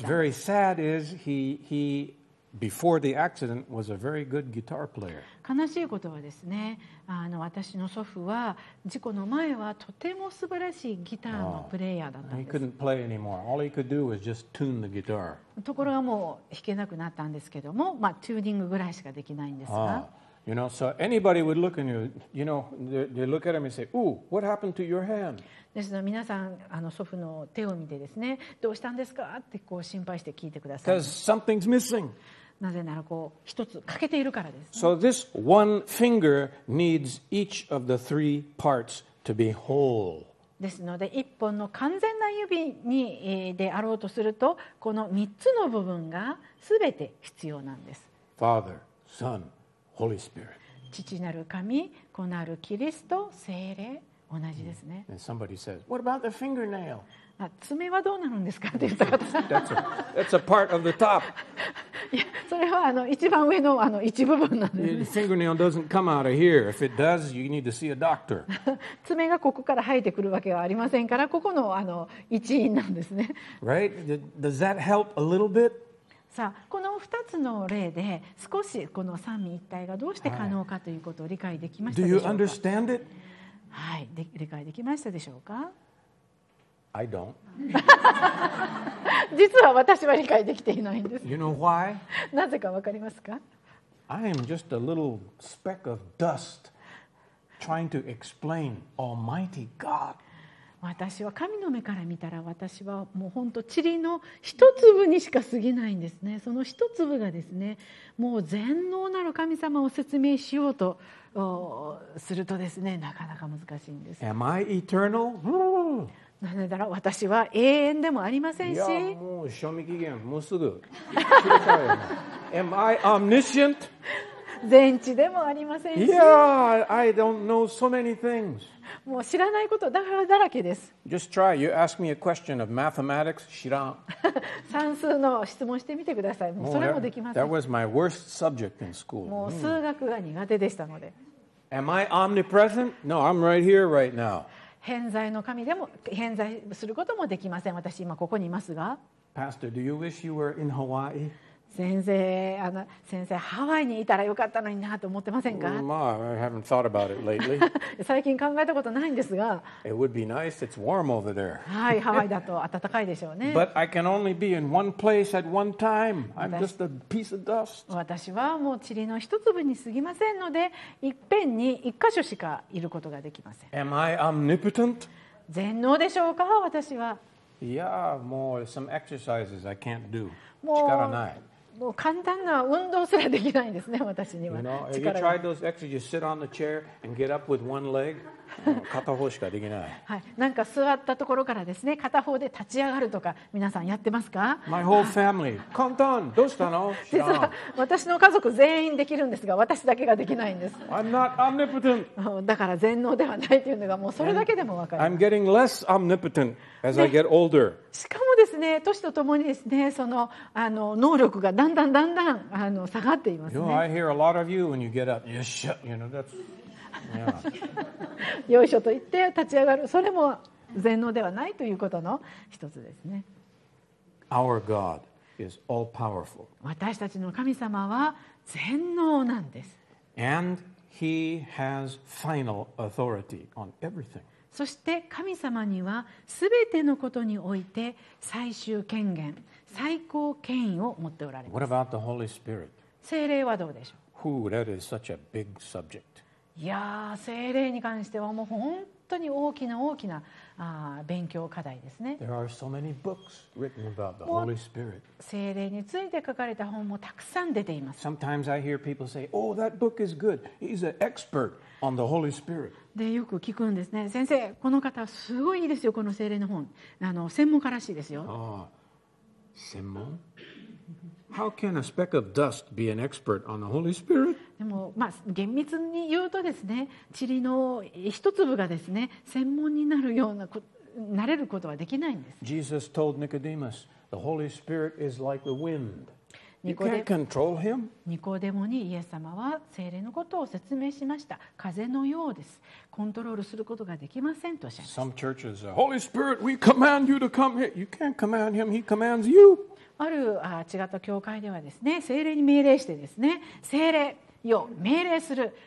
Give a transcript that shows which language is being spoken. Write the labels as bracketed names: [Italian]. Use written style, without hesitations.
[English] What's very sad is he before the accident was a very good guitar player. [Japanese] 悲しいことはですね、私の祖父は事故の前はとても素晴らしいギターのプレイヤーだったんです。 [English] He couldn't play anymore. All he could do was just tune the guitar. [Japanese] ところがもう弾けなくなったんですけども、まあチューニングぐらいしかできないんですが。 [English] You know, so anybody would look at you. You know, they look at him and say, "Ooh, what happened to your hand?" [Japanese] ですので皆さん祖父の手を見てですね、どうしたんですかってこう心配して聞いてください。 [English] Because something's missing. [Japanese] なぜならこう一つ欠けているからです、ね。 [English] So this one finger needs each of the three parts to be whole. [Japanese] ですので一本の完全な指にであろうとすると、この三つの部分がすべて必要なんです。 [English] Father, Son. Holy Spirit. [Japanese] 父なる神、子なるキリスト、聖霊、同じですね。 [English] And somebody says, "What about the fingernail?" [Japanese] 爪はどうなるんですかって言った方。 [English] That's a part of the top. [Japanese] いや、それは一番上の一部分なんです、ね。 [English] The fingernail doesn't come out of here. If it does, you need to see a doctor. [Japanese] 爪がここから生えてくるわけはありませんから、ここの一員なんですね。 [English] Right? Does that help a little bit? [Japanese] さあこの2つの例で少しこの三位一体がどうして可能かということを理解できましたでしょうか。 [English] Do you understand it? [Japanese] はい、理解できましたでしょうか。 [English] I don't. [Japanese] 実は私は理解できていないんです。 [English] You know why? [Japanese] なぜか分かりますか。 [English] I am just a little speck of dust trying to explain Almighty God. [Japanese] 私は神の目から見たら私はもう本当チリの一粒にしか過ぎないんですね。その一粒がですね、もう全能なる神様を説明しようとするとですね、なかなか難しいんです。 [English] Am I eternal? [Japanese] なぜなら私は永遠でもありませんし。いやもう賞味期限もうすぐ。 [English] Am I omniscient? [Japanese] 全知でもありませんし。 [English] いや、I don't know so many things. [Japanese] もう知らないことだらけです。 [English] Just try. You ask me a question of mathematics. [Japanese] 知らん。算数の質問してみてください。もうそれもできません。 [English] That was my worst subject in school. [Japanese] もう数学が苦手でしたので。 [English] Am I omnipresent? No, I'm right here, right now. [Japanese] 偏在の神でも偏在することもできません。私今ここにいますが。 [English] Pastor, do you wish you were in Hawaii? [Japanese] 先生、ハワイにいたらよかったのになと思ってませんか。 [English] まあ、I haven't thought about it lately. [Japanese] 最近考えたことないんですが。 [English] It would be nice. It's warm over there. [Japanese] はい、ハワイだと暖かいでしょうね。 [English] But I can only be in one place at one time. I'm just a piece of dust. [Japanese] 私はもう塵の一粒に過ぎませんので、一遍に一箇所しかいることができません。 [English] Am I omnipotent? [Japanese] 全能でしょうか、私は。 [English] いや、もう some exercises I can't do. [Japanese] 力ない。もう簡単な運動すらできないんですね、私には。 [English] You know, if you tried those exercises, sit on the chair and get up with one leg, [Japanese] 片方しかできない。はい、なんか座ったところからですね、片方で立ち上がるとか、皆さんやってますか？ [English] My whole family, [Japanese] 簡単、どうしたの？実は私の家族全員できるんですが、私だけができないんです。 [English] I'm not omnipotent. [Japanese] だから全能ではないというのが、もうそれだけでも分かる。 [English] I'm getting less omnipotent. As I get older. [Japanese] しかもですね、年とともにですね、その能力がだんだんだんだん下がっていますね。 [English] You know, I hear a lot of you when you get up. [Japanese] よっしゃ、 [English] you know, that's, [Japanese] yeah. よいしょと言って立ち上がる。それも全能ではないということの一つですね。 [English] Our God is all powerful. [Japanese] 私たちの神様は全能なんです。 [English] And He has final authority on everything. [Japanese] そして神様にはすべてのことにおいて最終権限、最高権威を持っておられます。 [English] What about the Holy Spirit? [Japanese] 聖霊はどうでしょう。 [English] Ooh, that is such a big subject. [Japanese] いやー、聖霊に関してはもう本当に大きな大きな勉強課題ですね。 [English] There are so many books written about the Holy Spirit. [Japanese] 聖霊について書かれた本もたくさん出ています。 [English] Sometimes I hear people say, "Oh, that book is good. He's an expert on the Holy Spirit." [Japanese] でよく聞くんですね。先生、この方すごいいいですよ、この聖霊の本。専門家らしいですよ。ああ、専門？ [English] How can a speck of dust be an expert on the Holy Spirit? [Japanese] でも、まあ、厳密に言うとですね、塵の一粒がですね、専門になるようななれることはできないんです。 [English] Jesus told Nicodemus, the Holy Spirit is like the wind. You can't control him. [Japanese] ニコデモにイエス様は聖霊のことを説明しました。風のようです。コントロールすることができませんとおっしゃいました。 [English] Some churches say, Holy Spirit, we command you to come here. You can't command him. He commands you. [Japanese] ある違った教会ではですね、聖霊に命令してですね、聖霊よ、命令する。